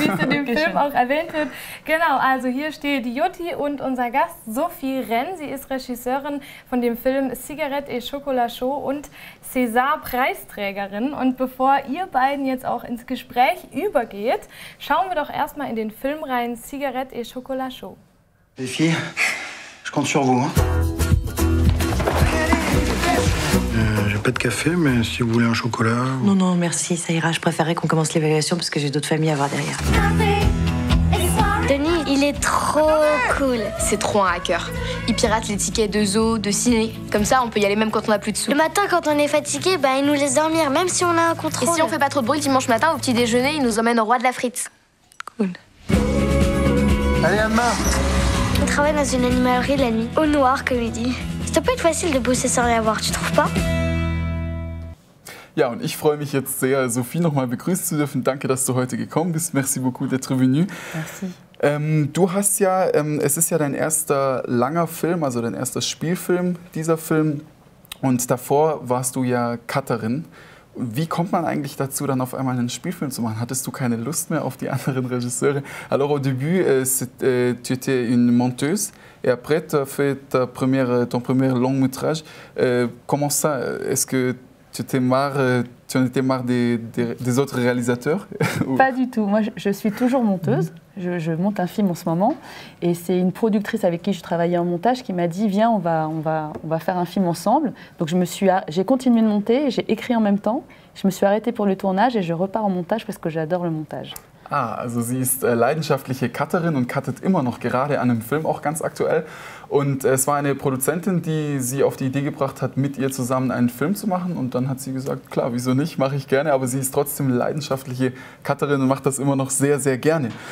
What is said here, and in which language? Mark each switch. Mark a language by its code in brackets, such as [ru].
[de] Wie es in dem Film auch erwähnt wird. Genau, also hier steht Joti und unser Gast Sophie Renn. Sie ist Regisseurin von dem Film Cigarette et Chocolachou und César-Preisträgerin. Und bevor ihr beiden jetzt auch ins Gespräch übergeht, schauen wir doch erstmal in den Film rein Cigarette et Chocolachou. [fr] Sophie. Je compte sur vous. Hein. J'ai pas de café, mais si vous voulez un chocolat... Non, non, merci, ça ira. Je préférerais qu'on commence l'évaluation parce que j'ai d'autres familles à voir derrière. Denis, il est trop cool. C'est trop un hacker. Il pirate les tickets de zoo, de ciné. Comme ça, on peut y aller même quand on a plus de sous. Le matin, quand on est fatigué, bah, il nous laisse dormir, même si on a un contrôle. Et si on fait pas trop de bruit, dimanche matin, au petit déjeuner, il nous emmène au roi de la frite. Cool. Allez, Amma. On travaille dans une animalerie la nuit, au noir, comme il dit. Ça peut être facile de bosser sans rien voir, tu trouves pas? [de] Ja, und ich freue mich jetzt sehr, Sophie nochmal begrüßen zu dürfen. Danke, dass du heute gekommen bist. [fr] Merci beaucoup d'être venu. Merci. [de] Du hast ja, es ist ja dein erster langer Film, also dein erster Spielfilm, dieser Film. Und davor warst du ja Cutterin. Wie kommt man eigentlich dazu, dann auf einmal einen Spielfilm zu machen? Hattest du keine Lust mehr auf die anderen Regisseure? [fr] Alors au début, tu étais une monteuse. Et après, tu as fait ton premier long métrage. Comment ça? Est-ce que tu en étais marre des autres réalisateurs? Pas du tout. Moi, je suis toujours monteuse. Je monte un film en ce moment. Et c'est une productrice avec qui je travaillais en montage qui m'a dit, viens, on va faire un film ensemble. Donc, j'ai continué de monter, j'ai écrit en même temps. Je me suis arrêtée pour le tournage et je repars en montage parce que j'adore le montage. [de] Ah, also sie ist leidenschaftliche Cutterin und cuttet immer noch gerade an einem Film, auch ganz aktuell. Und es war eine Produzentin, die sie auf die Idee gebracht hat, mit ihr zusammen einen Film zu machen. Und dann hat sie gesagt, klar, wieso nicht, mache ich gerne. Aber sie ist trotzdem leidenschaftliche Cutterin und macht das immer noch sehr, sehr gerne.